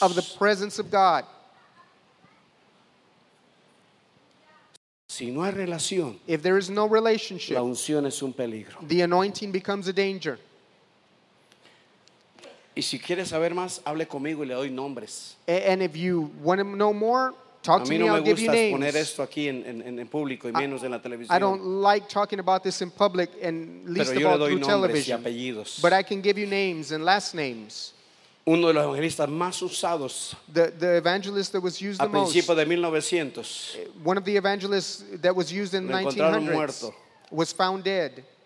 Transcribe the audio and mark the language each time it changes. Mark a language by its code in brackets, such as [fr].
[en] Of the presence of God. [es] Si no hay relación, [en] if there is no relationship, [es] la unción es un peligro. [en] The anointing becomes a danger. [es] Y si quieres saber más, hable conmigo y le doy nombres. [en] And if you want to know more, talk to me, I'll give you names. [es] A mí no me gusta poner esto aquí en público y menos en la televisión. [en] I don't like talking about this in public and least of all through television. [es] Pero yo le doy nombres y apellidos. [en] But I can give you names and last names. [es] Uno de los evangelistas más usados. [en] The evangelist that was used the most. [es] A principios de 1900. [en] One of the evangelists that was used in 1900 was found dead.